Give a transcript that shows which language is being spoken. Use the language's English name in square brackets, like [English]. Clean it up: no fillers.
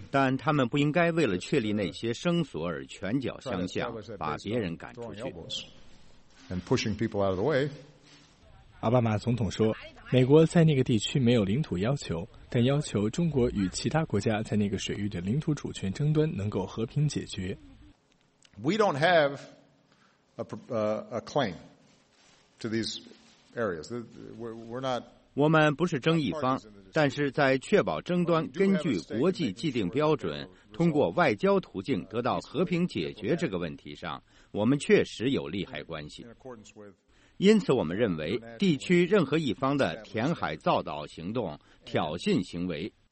[Chinese] 但他们不应该为了确立那些绳索而拳脚相向，把别人赶出去。 [English] And pushing people out of the way. [Chinese] 奥巴马总统说，美国在那个地区没有领土要求，但要求中国与其他国家在那个水域的领土主权争端能够和平解决。 [English] We don't have a claim to these areas. We're not. [Chinese] 我们不是争议方，但是在确保争端根据国际既定标准通过外交途径得到和平解决这个问题上，我们确实有利害关系。因此我们认为地区任何一方的填海造岛行动挑衅行为